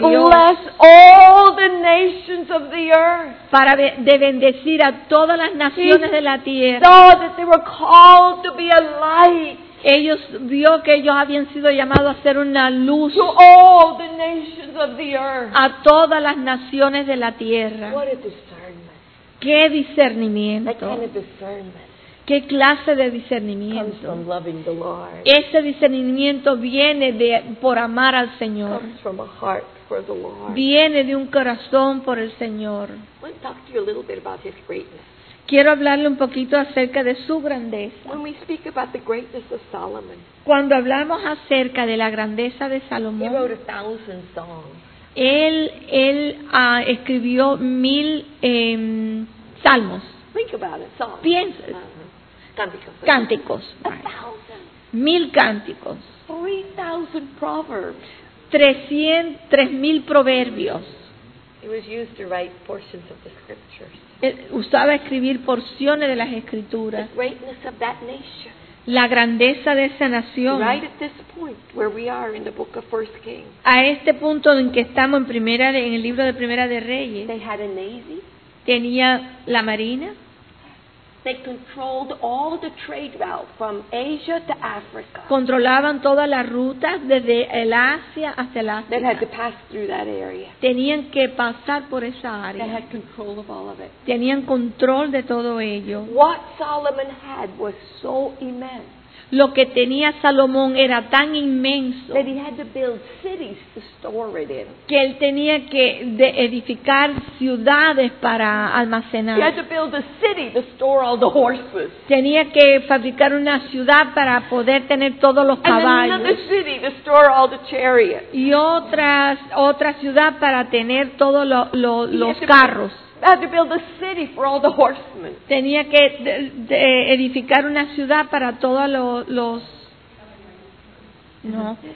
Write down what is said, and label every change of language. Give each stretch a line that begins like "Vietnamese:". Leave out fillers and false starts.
English: To bless all the nations of the earth.
Spanish: Para de bendecir a todas las naciones
English: he
Spanish: de la tierra.
English: Saw that they were called to be a light.
Spanish: Ellos vio que ellos habían sido llamados a ser una luz
English: to all the nations of the earth.
Spanish: A todas las naciones de la tierra.
English: What a discernment.
Spanish: ¡Qué discernimiento!
English: That kind of discernment.
Spanish: ¿Qué clase de discernimiento?
English: Comes from loving the Lord.
Spanish: Ese discernimiento viene de por amar al Señor.
English: Comes from a heart for the Lord.
Spanish: Viene de un corazón por el Señor. Quiero hablarte un poco sobre su grandeza. Quiero hablarle un poquito acerca de su grandeza.
English: When we speak about the greatness of Solomon,
Spanish: cuando hablamos acerca de la grandeza de Salomón,
English: he wrote a thousand songs.
Spanish: Él escribió mil salmos.
English: Think about it, songs.
Spanish: Piensa. Cánticos. Mil cánticos.
English: 3,000 proverbs.
Spanish: 3,000 proverbios.
English: It was used to write portions of the scriptures.
Spanish: Usaba escribir porciones de las escrituras.
English: The greatness of that nation.
Spanish: La grandeza de esa nación.
English: Right at this point where we are in the book of First Kings.
Spanish: A este punto en que estamos en primera en el libro de Primera de Reyes.
English: They had a navy.
Spanish: Tenía la marina.
English: They controlled all the trade routes from Asia to Africa.
Spanish: Controlaban todas las rutas desde el Asia hasta el África.
English: They had to pass through that area.
Spanish: Tenían que pasar por esa área.
English: They had control of all of it.
Spanish: Tenían control de todo ello.
English: What Solomon had was so immense.
Spanish: Lo que tenía Salomón era tan inmenso
English: that he had to build cities to store it in.
Spanish: Que él tenía que de edificar ciudades para almacenar.
English: He had to build a city to store all the horses.
Spanish: Tenía que fabricar una ciudad para poder tener todos los caballos.
English: And another city to store all the chariots.
Spanish: Y otra ciudad para tener todos los carros.
English: I had to build a city for all the horsemen.
Spanish: Tenía que edificar una ciudad para todos los no.